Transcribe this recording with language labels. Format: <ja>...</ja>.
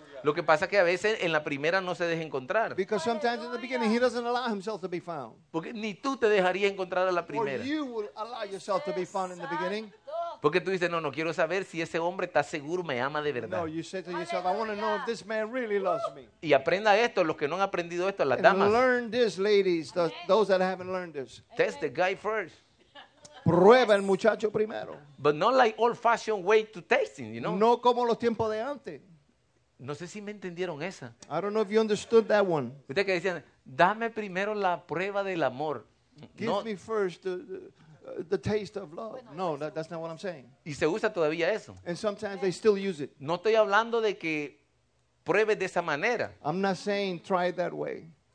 <es>Lo que pasa es que a veces en la primera no se deja encontrar.</es> <en>Because sometimes in the beginning he doesn't allow himself to be found.</en> <es>Porque ni tú te dejarías encontrar a la primera.</es> <en>Or you will allow yourself to be found in the beginning.</en> <es>Porque tú dices, no, no quiero saber si ese hombre está seguro, me ama de verdad.</es> <en>No, you say to yourself, I want to know if this man really loves me.</en> <es>Y aprenda esto, los que no han aprendido esto, las damas.</es> <en>And learn this, ladies, those that haven't learned this. Test the guy first.</en> <es>Prueba el muchacho primero.</es> <en>But not like old-fashioned way to tasting, you know.</en> <es>No como los tiempos de antes. No sé si me entendieron esa.</es> <en>I don't know if you understood that one.</en> <es>Ustedes que decían, dame primero la prueba del amor.</es> <en>Give me first the taste of love. No, that's not what I'm saying.</en> <es>Y se usa todavía eso.</es> <en>And sometimes they still use it.</en> <es>No estoy hablando de que pruebe de esa manera.</es> <en>I'm not saying try it that way.</en>